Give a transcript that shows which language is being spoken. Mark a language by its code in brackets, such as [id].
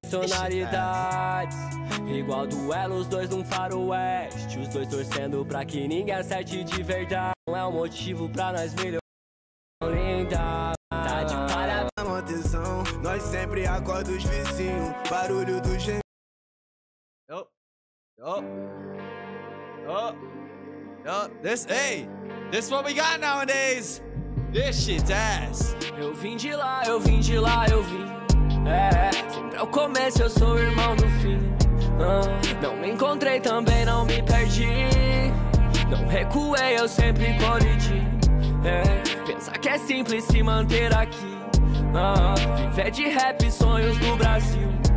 [pt] Personalidades. Igual duelo, os dois num faroeste. Os dois torcendo pra que ninguém acerte de verdade. Não é um motivo pra nós melhorar. Linda. Tá de parabéns. Atenção, nós sempre acorda os vizinhos. Barulho do gêmeo. Yo. Yo. [en] Oh, oh, this, hey, this is what we got nowadays. This shit's ass. [pt] Eu vim de lá, eu vim de lá, eu vim. É, sempre ao começo eu sou irmão do fim. Não me encontrei também, não me perdi. Não recuei, eu sempre colidi. É, pensar que é simples se manter aqui. Viver de rap e sonhos no Brasil.